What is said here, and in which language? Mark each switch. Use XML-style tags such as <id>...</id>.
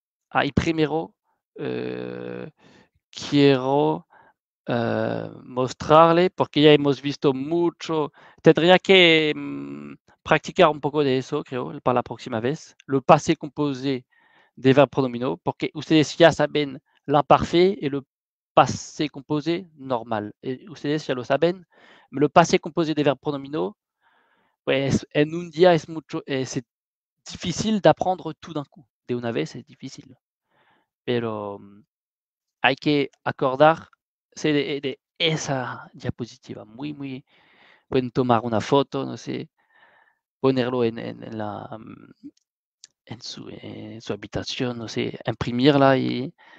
<es>Ah, y primero quiero mostrarle, porque ya hemos visto mucho, tendría que practicar un poco de eso, creo, para la próxima vez,</es> <fr>le passé composé des verbes pronominaux,</fr> <es>porque ustedes ya saben</es> <fr>l'imparfait et le passé composé normal. Et</fr> <es>ustedes ya lo saben,</es> <fr>mais le passé composé des verbes pronominaux,</fr> <es>pues, en un día es mucho,</es> <fr>c'est difficile d'apprendre tout d'un coup.</fr> <es>De una vez,</es> <fr>c'est difficile.</fr> <es>Pero hay que acordarse de esa diapositiva. Muy, muy. Pueden tomar una foto, no sé, ponerlo en su habitación, no sé, imprimirla y.</es>